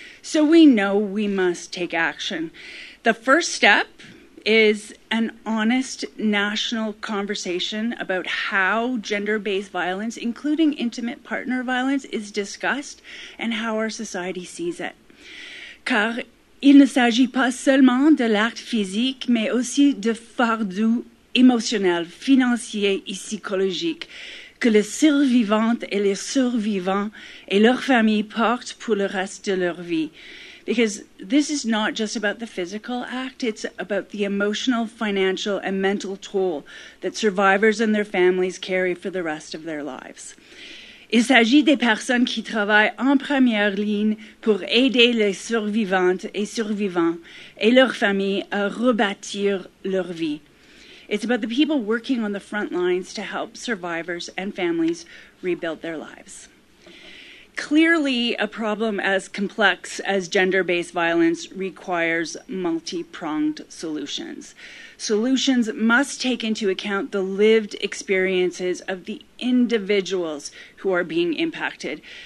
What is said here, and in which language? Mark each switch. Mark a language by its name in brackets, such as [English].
[English] So we know we must take action. The first step is an honest national conversation about how gender-based violence, including intimate partner violence, is discussed and how our society sees it. [French] Car il ne s'agit pas seulement de l'acte physique, mais aussi de fardeau émotionnel, financier et psychologique que les survivantes et les survivants et leurs familles portent pour le reste de leur vie. [English] Because this is not just about the physical act, it's about the emotional, financial, and mental toll that survivors and their families carry for the rest of their lives. [French] Il s'agit des personnes qui travaillent en première ligne pour aider les survivantes et survivants et leurs familles à rebâtir leur vie. [English] It's about the people working on the front lines to help survivors and families rebuild their lives. Clearly, a problem as complex as gender-based violence requires multi-pronged solutions. Solutions must take into account the lived experiences of the individuals who are being impacted.